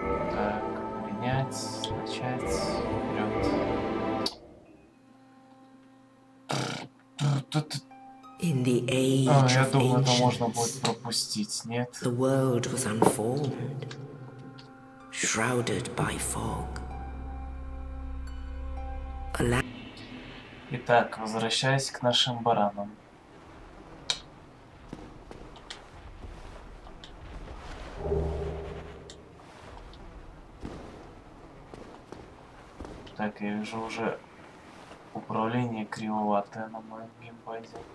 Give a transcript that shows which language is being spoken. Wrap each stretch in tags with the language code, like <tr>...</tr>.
<ru>Так, принять, начать, вперед.</ru> <en>In the age of ancients,</en> <ru>я думаю, это можно будет пропустить, нет?</ru> <en>The world was unformed, shrouded by fog.</en> <ru>Итак, возвращаясь к нашим баранам. Так, я вижу уже управление кривоватое на моем геймпаде.</ru>